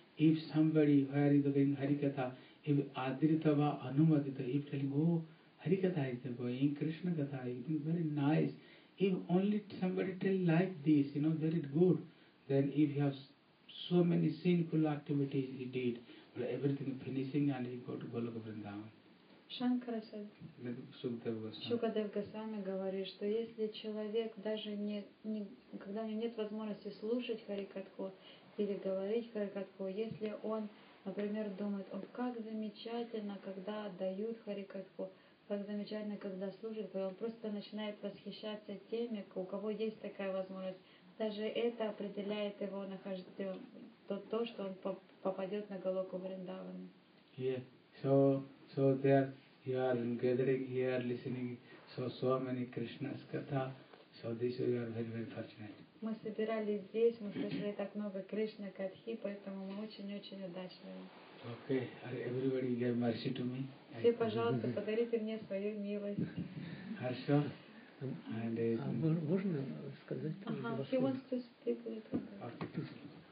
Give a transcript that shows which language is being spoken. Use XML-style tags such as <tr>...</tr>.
<en>If somebody where is going Harikatha, if Adritava Anumadita, if telling, oh, Harikatha is going, Krishna Katha, it is very nice. If only somebody tell like this, you know, very good. Then if he has so many sinful activities he did, but everything finishing and he go to Goloka Vrindavan. Shankara said, Sukadev Goswami.</en> <ru>Sukadev Goswami говорит, что если человек даже не когда у него нет возможности слушать Харикатху, или говорить Харикатху, если он, например, думает, о, как замечательно, когда дают Харикатху, как замечательно, когда служит, и он просто начинает восхищаться теми, у кого есть такая возможность. Даже это определяет его нахождение, то, что он попадет на Голоку Вриндавана.</ru> <en>Yeah, so there you are gathering here, listening so many Krishna's katha, so this you are very, very fortunate.</en> <ru>Мы собирались здесь, мы слышали так много Кришна Катхи, поэтому мы очень-очень удачливы. Okay, everybody give mercy to me. Все, пожалуйста, подарите мне свою милость. Хорошо. Можно сказать?</ru> <en>Ага, he wants to speak a little bit.</en>